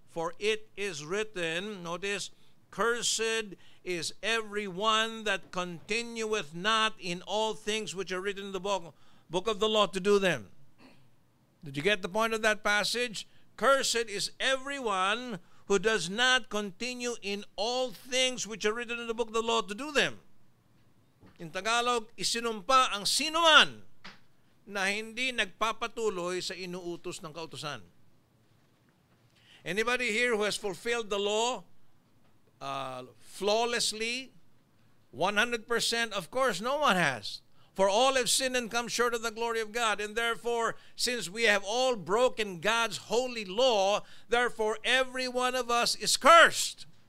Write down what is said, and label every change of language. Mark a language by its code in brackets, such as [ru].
[en] For it is written, notice, cursed is everyone that continueth not in all things which are written in the book of the law to do them. Did you get the point of that passage? Cursed is everyone who does not continue in all things which are written in the book of the law to do them. In Tagalog, [tl] isinumpa ang sinuman na hindi nagpapatuloy sa inuutos ng kautusan. [en] Anybody here who has fulfilled the law flawlessly, 100%? Of course, no one has. For all have sinned and come short of the glory of God. And therefore, since we have all broken God's holy law, therefore every one of us is cursed.